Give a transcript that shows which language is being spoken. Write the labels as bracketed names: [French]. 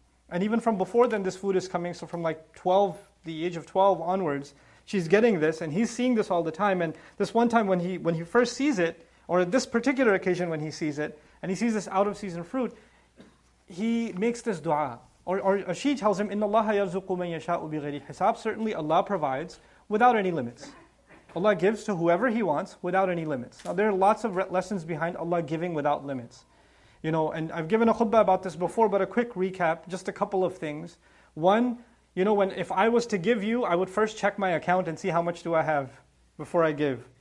[English] And even from before then, this food is coming, so from like 12, the age of 12 onwards, she's getting this, and he's seeing this all the time. And this one time when he first sees it, or at this particular occasion when he sees it, and he sees this out-of-season fruit, he makes this dua. Or she tells him, [Arabic] إِنَّ اللَّهَ يَرْزُقُ مَنْ يَشَاءُ بِغَيْرِ حِسَابٍ. [English] Certainly Allah provides without any limits. Allah gives to whoever He wants without any limits. Now there are lots of lessons behind Allah giving without limits. You know, and I've given a khutbah about this before, but a quick recap, just a couple of things. One, you know, when if I was to give you, I would first check my account and see how much do I have before I give.